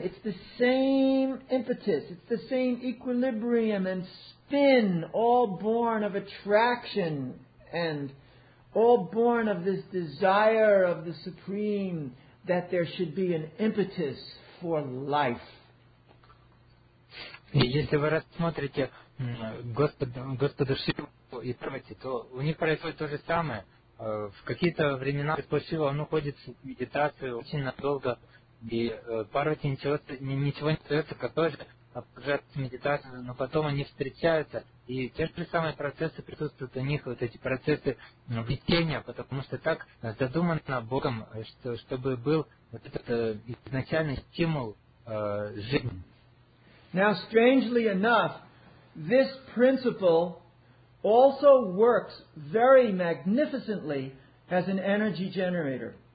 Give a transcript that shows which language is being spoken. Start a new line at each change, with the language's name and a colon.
English: It's the same impetus. It's the same equilibrium and spin, all born of attraction and all born of this desire of the Supreme that there should be an impetus for life.
Russian: Если вы рассмотрите Господа Шиву и Парвати, то у них происходит то же самое. В какие-то времена Господь Шива, он уходит в медитацию очень надолго, и Парвати ничего не остается, как тоже погружается в медитацию, но потом они встречаются, и те же самые процессы присутствуют у них, вот эти процессы влечения, потому что так задумано Богом, чтобы был вот этот изначальный стимул жизни.
English: Now, strangely enough, this principle also works very magnificently as an energy generator.